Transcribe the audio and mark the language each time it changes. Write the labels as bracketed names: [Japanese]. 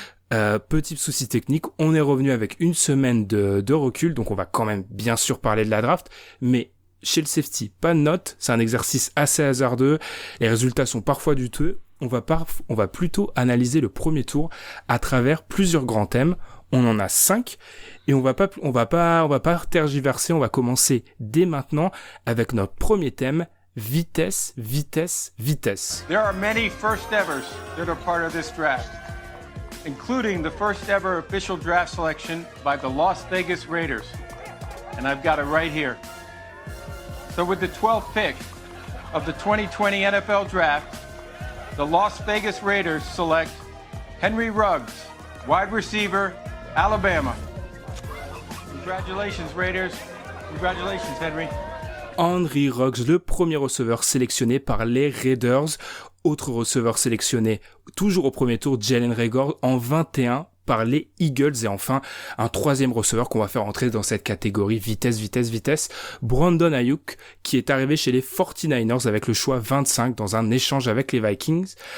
[French] Petit souci technique, on est revenu avec une semaine de recul, donc on va quand même bien sûr parler de la draft, mais chez le safety, pas de notes, c'est un exercice assez hasardeux, les résultats sont parfois douteux, on va plutôt analyser le premier tour à travers plusieurs grands thèmes, on en a 5, et on va pas tergiverser, on va commencer dès maintenant avec notre premier thème, vitesse, vitesse, vitesse. [English] There are many first evers that are part of this draft, including the first ever official draft selection by the Las Vegas Raiders. And I've got it right here. So with the 12th pick of the 2020 NFL Draft, the Las Vegas Raiders select Henry Ruggs, wide receiver, Alabama. Congratulations, Raiders. Congratulations, Henry. [French] Henry Ruggs, le premier receveur sélectionné par les Raiders. Autre receveur sélectionné, toujours au premier tour, Jalen Reagor, en 21 par les Eagles. Et enfin, un troisième receveur qu'on va faire entrer dans cette catégorie vitesse, vitesse, vitesse, Brandon Ayuk, qui est arrivé chez les 49ers avec le choix 25 dans un échange avec les Vikings.